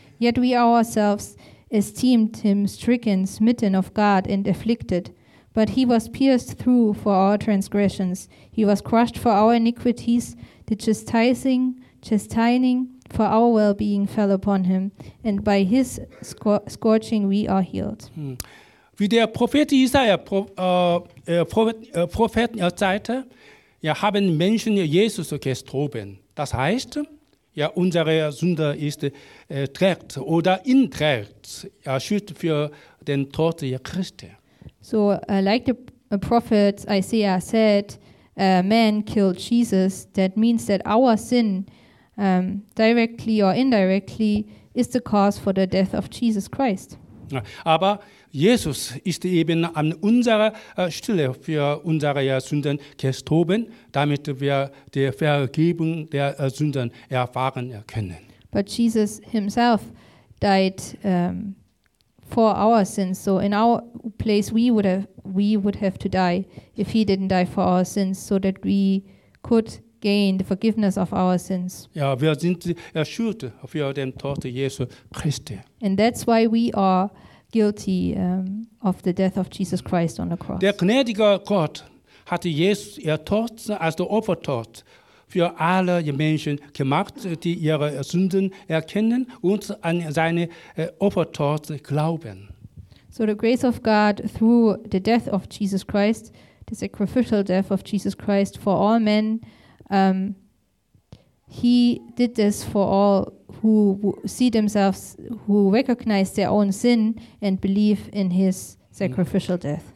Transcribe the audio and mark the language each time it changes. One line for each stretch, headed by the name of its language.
English: Yet we ourselves esteemed him stricken, smitten of God, and afflicted. But he was pierced through for our transgressions. He was crushed for our iniquities. The chastising for our well-being fell upon him. And by his scorching we are healed. Hmm.
German: Wie der Prophet Jesaja prophezeite, ja, haben Menschen Jesus gestorben. Das heißt, ja, unsere Sünde ist trägt oder inträgt, ja, schützt für den Tod Christi.
English: So, like the prophet Isaiah said, man killed Jesus. That means that our sin, directly or indirectly, is the cause for the death of Jesus Christ.
German: Ja, aber Jesus ist eben an unserer Stelle für unsere Sünden gestorben, damit wir die Vergebung der Sünden erfahren können.
English: But Jesus himself died for our sins. So in our place we would have to die if he didn't die for our sins, so that we could gain the forgiveness of our sins.
German: Ja, wir sind erschuldet für den Tod Jesu Christi.
English: And that's why we are guilty of the death of Jesus Christ on the cross.
German: Der gnädige Gott hat Jesus Tod als der Opfertod für alle Menschen gemacht, die ihre Sünden erkennen und an seine Opfertod glauben.
English: So the grace of God through the death of Jesus Christ, the sacrificial death of Jesus Christ for all men, he did this for all who see themselves, who recognize their own sin and believe in his sacrificial death.